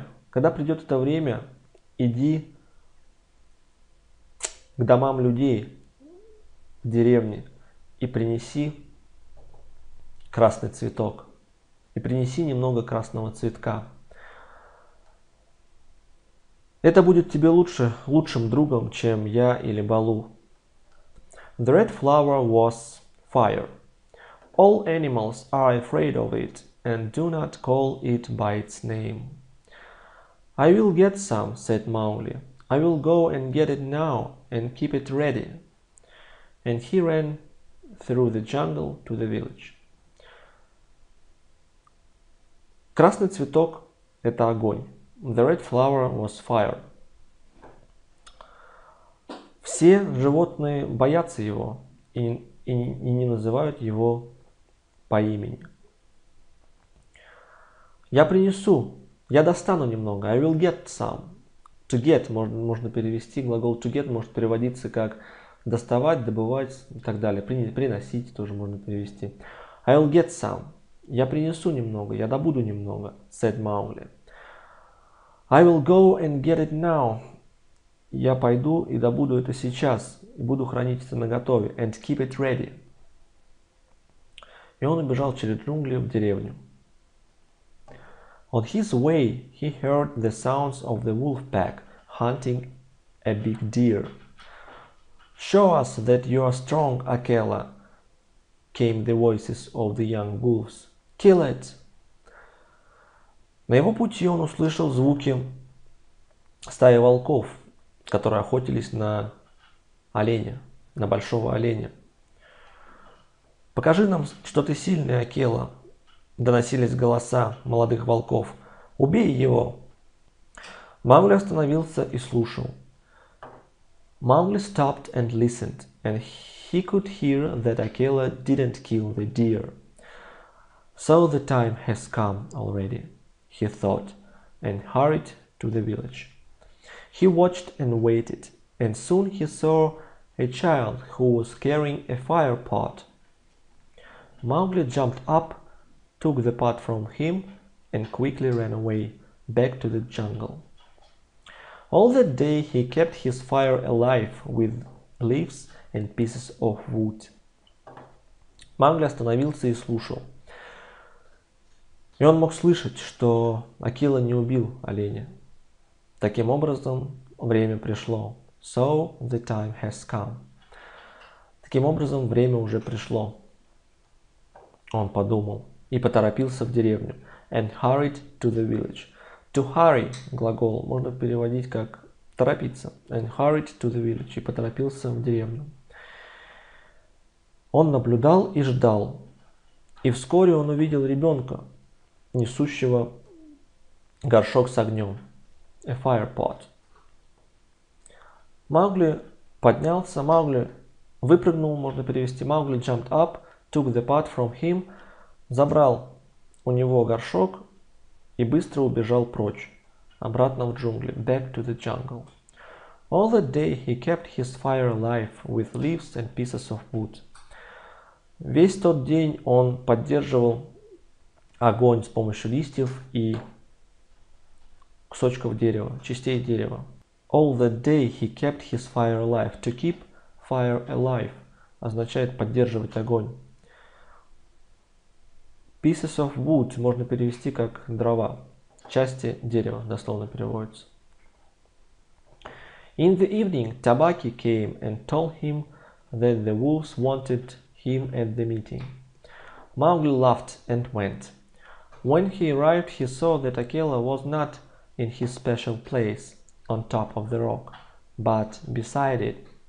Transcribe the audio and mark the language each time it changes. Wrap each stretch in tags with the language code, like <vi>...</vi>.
<ru>Когда придет это время, иди к домам людей в деревне и принеси красный цветок. И принеси немного красного цветка. Это будет тебе лучшим другом, чем я или Балу.</ru> <en>The red flower was fire. All animals are afraid of it and do not call it by its name. I will get some, said Mowgli. I will go and get it now and keep it ready. And he ran through the jungle to the village.</en> <ru>Красный цветок – это огонь.</ru> <en>The red flower was fire.</en> <ru>Все животные боятся его и не называют его по имени. Я принесу, я достану немного.</ru> <en>I will get some. To get</en> <ru>можно перевести. Глагол</ru> <en>to get</en> <ru>может переводиться как доставать, добывать и так далее. Приносить тоже можно перевести.</ru> <en>I will get some.</en> <ru>Я принесу немного, я добуду немного, said Маугли.</ru> <en>I will go and get it now.</en> <ru>Я пойду и добуду это сейчас, и буду хранить это наготове,</ru> <en>and keep it ready.</en> <ru>И он убежал через джунгли в деревню.</ru> <en>On his way, he heard the sounds of the wolf pack hunting a big deer. Show us that you are strong, Akela, came the voices of the young wolves. Kill it.</en> <ru>На его пути он услышал звуки стаи волков, которые охотились на оленя, на большого оленя. Покажи нам, что ты сильный, Акела, доносились голоса молодых волков. Убей его. Маугли остановился и слушал.</ru> <en>Маугли stopped and listened, and he could hear that Акела didn't kill the deer. So the time has come already, he thought, and hurried to the village. He watched and waited, and soon he saw a child who was carrying a fire pot. Маугли jumped up, took the pot from him, and quickly ran away, back to the jungle. All that day he kept his fire alive with leaves and pieces of wood.</en> <ru>Маугли остановился и слушал. И он мог слышать, что Акела не убил оленя. Таким образом, время пришло.</ru> <en>So the time has come.</en> <ru>Таким образом, время уже пришло. Он подумал и поторопился в деревню.</ru> <en>And hurried to the village. To hurry</en> <ru>– глагол можно переводить как торопиться.</ru> <en>And hurried to the village –</en> <ru>и поторопился в деревню. Он наблюдал и ждал. И вскоре он увидел ребенка, несущего горшок с огнем,</ru> <en>a fire pot.</en> <ru>Маугли поднялся, Маугли выпрыгнул, можно перевести, Маугли</ru> <en>jumped up, took the pot from him,</en> <ru>забрал у него горшок и быстро убежал прочь, обратно в джунгли,</ru> <en>back to the jungle. All that day he kept his fire alive with leaves and pieces of wood.</en> <ru>Весь тот день он поддерживал огонь с помощью листьев и кусочков дерева, частей дерева.</ru> <en>All that day he kept his fire alive. To keep fire alive</en> <ru>означает поддерживать огонь.</ru> <en>Pieces of wood</en> <ru>можно перевести как дрова. Части дерева дословно переводится.</ru> <en>In the evening Tabaki came and told him that the wolves wanted him at the meeting. Маугли laughed and went. When he arrived, he saw that Akela was not in his special place on top of the rock, but beside it.</en>